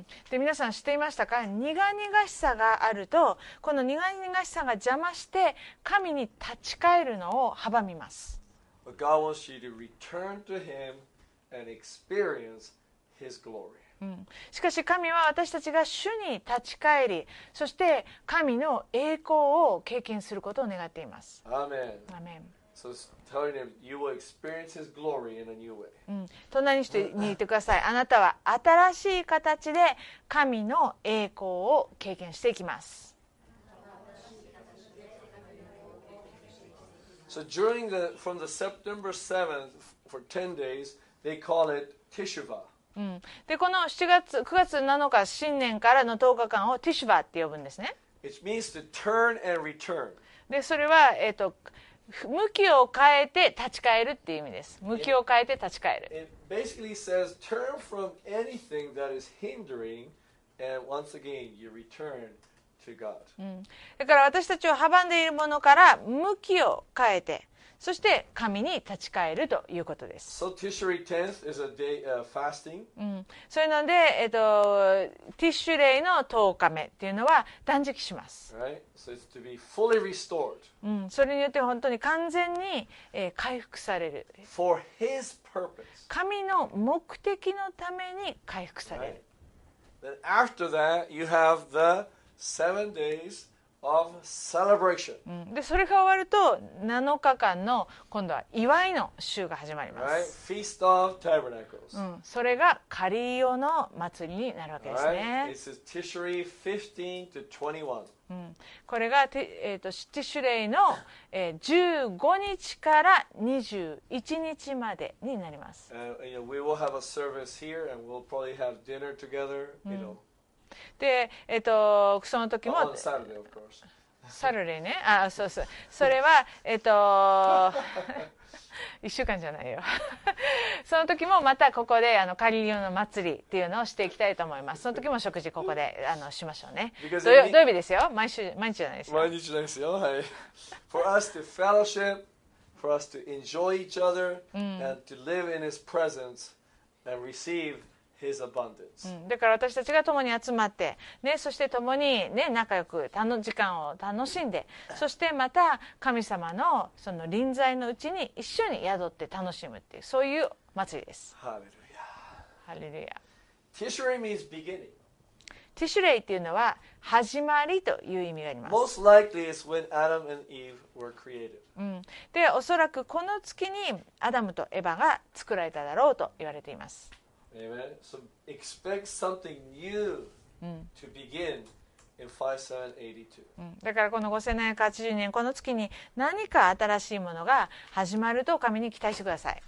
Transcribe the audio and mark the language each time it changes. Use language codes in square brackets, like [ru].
[ja] で皆さん知っていましたか、苦々しさがあるとこの苦々しさが邪魔して神に立ち返るのを阻みます。 [en] But God wants you to return to Him. And experience his glory. [ja] しかし神は私たちが主に立ち返り、そして神の栄光を経験することを願っています。アーメン。アーメン。 [en] So telling him you will experience his glory in a new way. [ja] 隣に言ってください。あなたは新しい形で神の栄光を経験していきます。 [en] So during the from the September 7th for 10 daysThey call it Tishuva. [ja] で、この9月7日新年からの10日間をティシュバって呼ぶんですね。 [en] It means to turn and return. [ja] で、それは向きを変えて立ち返るっていう意味です。向きを変えて立ち返る。 [en] It basically says turn from anything that is hindering and once again you return. To God. [ja] だから私たちを阻んでいるものから向きを変えて、そして神に立ち返るということです。 [en] So Tishrei 10th is a day of fasting. [ja] それなので、ティッシュレイの10日目っていうのは断食します。 [en] Right? So it's to be fully restored. [ja] それによって本当に完全に、回復される。 [en] For his purpose. [ja] 神の目的のために回復される、 [en] right. Then after that you have theSeven days of celebration. [ja] で、それが終わると7日間の今度は祝いの週が始まります。 [en] Right? Feast of Tabernacles. [ja] それが仮祝の祭りになるわけですね。 [en] Right? This is Tishrei 15 to 21. [ja] これが、ティシュレイの、15日から21日までになります。 [en] And, you know, we will have a service here and we'll probably have dinner together, you know. [ja] で、その時も、 [en] oh, Saturday, of course. [ja] サルレーね、あ、そうそう、それは1週間じゃないよその時もまたここでカリリオの祭りっていうのをしていきたいと思います。その時も食事ここでしましょうね。土曜日ですよ。毎日じゃないですよ。毎日じゃないですよ。はい。 [en] For us to fellowship, for us to enjoy each other, and to live in his presence and receive his abundance. [ja] だから私たちが共に集まって、ね、そして共に、ね、仲良く時間を楽しんで、そしてまた神様のその臨在のうちに一緒に宿って楽しむっていう、そういう祭りです。ハレルヤ。ハレルヤ。 [en] Tishrei means beginning. [ja] Tishrei っていうのは始まりという意味があります。 [en] Most likely it's when Adam and Eve were created. [ja] で、おそらくこの月にアダムとエヴァが作られただろうと言われています。 [en] Amen. So expect something new to begin in 5782. [ja] だからこの5780年この月に何か新しいものが始まると神に期待してください。